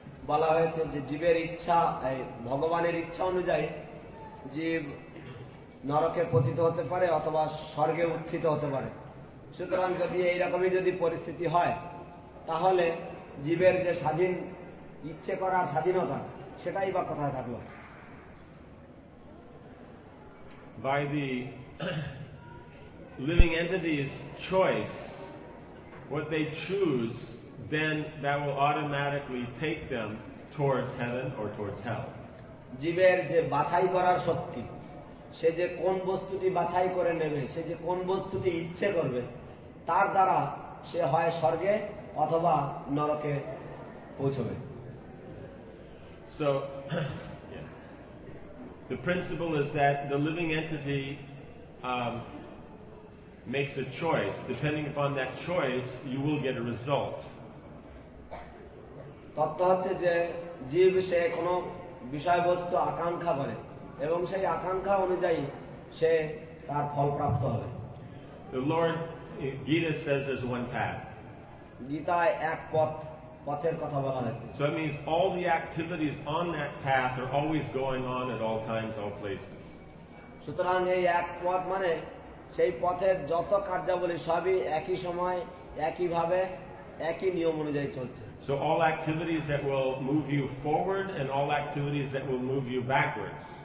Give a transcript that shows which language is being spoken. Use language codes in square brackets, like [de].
[bn] বলা হয়েছে যে জীবের ইচ্ছা ভগবানের ইচ্ছা অনুযায়ী জীব নরকে পতিত হতে পারে অথবা স্বর্গে উত্থিত হতে পারে। সুতরাং যদি এইরকমই যদি পরিস্থিতি হয় তাহলে জীবের যে স্বাধীন ইচ্ছে করার স্বাধীনতা সেটাই বা কোথায় থাকলো? [en] By the living entity's choice, what they choose, then that will automatically take them towards heaven or towards hell. [bn] জীবের যে বাছাই করার শক্তি, সে যে কোন বস্তুটি বাছাই করে নেবে, সে যে কোন বস্তুটি ইচ্ছে করবে, তার দ্বারা সে হয় স্বর্গে অথবা নরকে পৌঁছবে। [en] So, the principle is that the living entity makes a choice. Depending upon that choice, you will get a result. [bn] তত্ত্ব হচ্ছে যে জীব সে কোনো বিষয়বস্তু আকাঙ্ক্ষা করে এবং সেই আকাঙ্ক্ষা অনুযায়ী সে তার ফল প্রাপ্ত হবে [en] The Lord Gita says there's one path [bn] গীতায় এক পথ পথের কথা বলা হয়েছে [en] So it means all the activities on that path are always going on at all times all places [bn] সুতরাং এই এক পথ মানে সেই পথের যত কার্যাবলী সবই একই সময় একই ভাবে একই নিয়ম অনুযায়ী চলছে [en] So all activities that will move you forward and all activities that will move you backwards